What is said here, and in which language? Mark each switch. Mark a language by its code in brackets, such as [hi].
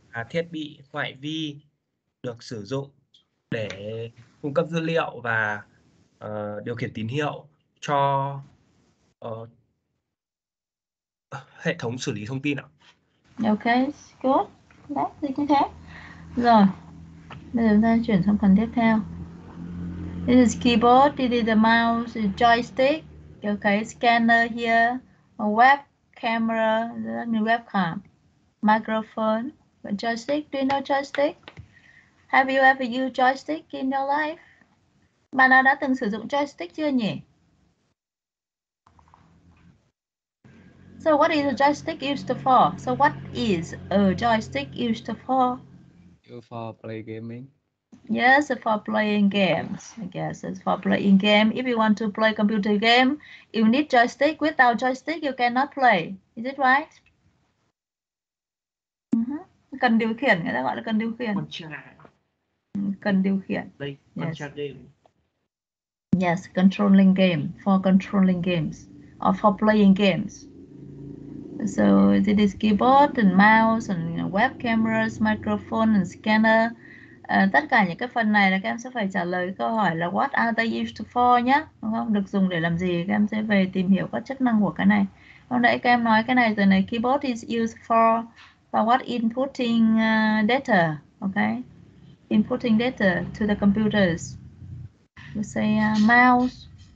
[vi] Thiết bị ngoại vi được sử dụng để cung cấp dữ liệu và điều khiển tín hiệu cho hệ thống xử lý thông tin ạ. [en] Ok, good. [vi] Đấy, gì như thế. Rồi, bây giờ chúng ta chuyển sang phần tiếp theo. [en] This is keyboard, this is the mouse, this is joystick, okay, scanner here, a web camera, a webcam. Microphone, joystick. Do you know joystick? Have you ever used joystick in your life? [vi] Bạn nào đã từng sử dụng joystick chưa nhỉ? [en] So what is a joystick used for? So what is a joystick used for? For play gaming. Yes, for playing games. I guess it's for playing game. If you want to play computer game, you need joystick. Without joystick, you cannot play. Is it right? [vi] Cần điều khiển, người ta gọi là cần điều khiển. Cần điều khiển. Đây, [en] yes. Yes, controlling game. For controlling games. Or for playing games. So, it is keyboard and mouse and web cameras, microphone and scanner. [vi] Tất cả những cái phần này là các em sẽ phải trả lời câu hỏi là [en] what are they used for [vi] nhé. Đúng không? Được dùng để làm gì? Các em sẽ về tìm hiểu các chức năng của cái này. Hôm nãy các em nói cái này rồi này. [en] Keyboard is used for... For what inputting data, okay? Inputting data to the computers. We say mouse.